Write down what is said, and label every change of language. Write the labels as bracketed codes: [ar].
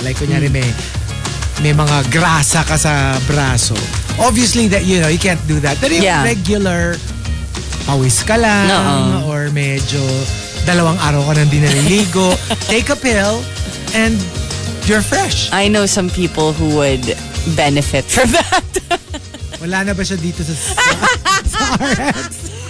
[tl] Like kunyari may mga grasa ka sa braso. [en] Obviously that you know, you can't do that. [tl] Pero [en] yeah. [tl] Regular pawis ka lang or medyo dalawang araw ka nang dinaliligo, [en] take a pill and you're fresh. I know some people who would benefit from that. [tl] Wala na ba siya dito sa RX?